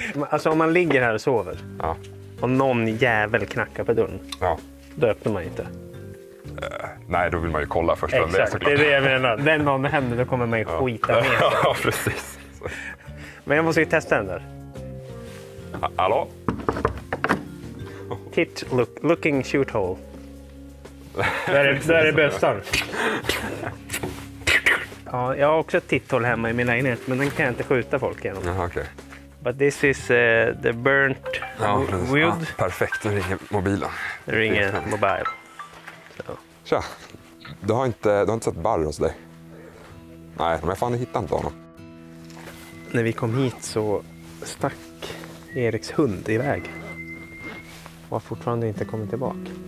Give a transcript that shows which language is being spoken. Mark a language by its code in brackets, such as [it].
[sv] Alltså om man ligger här och sover. Ja. Och någon jävel knackar på dörren. Ja. Då öppnar man inte. Nej, då vill man ju kolla först. Exakt, det är det jag menar. Den om det händer, då kommer man ju skita ner. Ja, precis. Men jag måste ju testa den där. Hallå? [en] Hit, look, looking shoot hole. [sv] Där är bössan. Ja, jag har också ett titthål hemma i min lägenhet, men den kan jag inte skjuta folk igenom. Jaha, okej. [en] But this is the burnt wood. [sv] Ja, perfekt, nu ringer mobilen. Ringer mobilen. Tja, du har inte sett Barr hos dig? Nej, men fan, jag hittade inte honom. När vi kom hit så stack Eriks hund iväg. Och har fortfarande inte kommit tillbaka.